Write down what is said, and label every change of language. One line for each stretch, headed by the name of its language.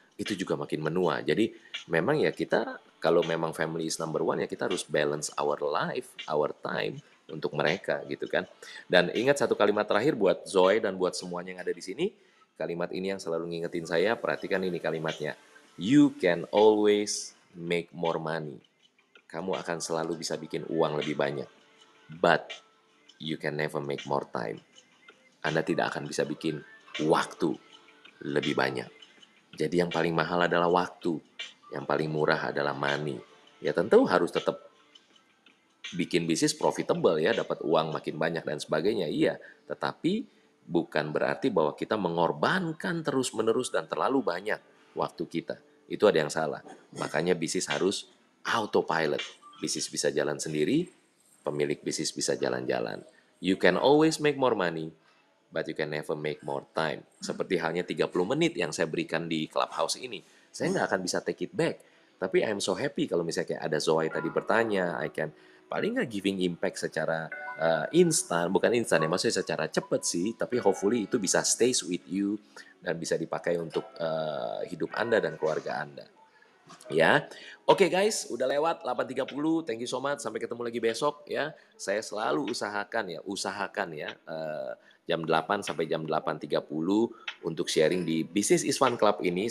Indonesian: Itu juga makin menua. Jadi memang ya kita, kalau memang
English: family is number one,
Indonesian: ya kita harus
English: balance our life, our time
Indonesian: untuk mereka gitu kan. Dan ingat satu kalimat terakhir buat Zoe dan buat semuanya yang ada di sini. Kalimat ini yang selalu ngingetin saya, perhatikan ini kalimatnya.
English: You can always make more money.
Indonesian: Kamu akan selalu bisa bikin uang lebih banyak.
English: But you can never make more time.
Indonesian: Anda tidak akan bisa bikin waktu lebih banyak. Jadi yang paling mahal adalah waktu, yang paling murah adalah money. Ya tentu harus tetap bikin bisnis profitable ya, dapat uang makin banyak dan sebagainya, iya. Tetapi bukan berarti bahwa kita mengorbankan terus-menerus dan terlalu banyak waktu kita. Itu ada yang salah. Makanya bisnis harus autopilot. Bisnis bisa jalan sendiri, pemilik bisnis bisa jalan-jalan.
English: You can always make more money. But you can never make more time.
Indonesian: Seperti halnya 30 menit yang saya berikan di Clubhouse ini. Saya nggak akan bisa
English: take it back.
Indonesian: Tapi
English: I'm so happy
Indonesian: kalau misalnya kayak ada Zoe tadi bertanya.
English: I can
Indonesian: paling nggak
English: giving impact
Indonesian: secara instan. Bukan instan ya, maksudnya secara cepat sih. Tapi
English: hopefully
Indonesian: itu bisa
English: stays with you.
Indonesian: Dan bisa dipakai untuk hidup Anda dan keluarga Anda. Ya, oke
English: okay guys,
Indonesian: udah lewat
English: 8:30. Thank you so much.
Indonesian: Sampai ketemu lagi besok ya. Saya selalu usahakan ya. Jam 8 sampai jam 8:30 untuk sharing di Business is Fun Club ini.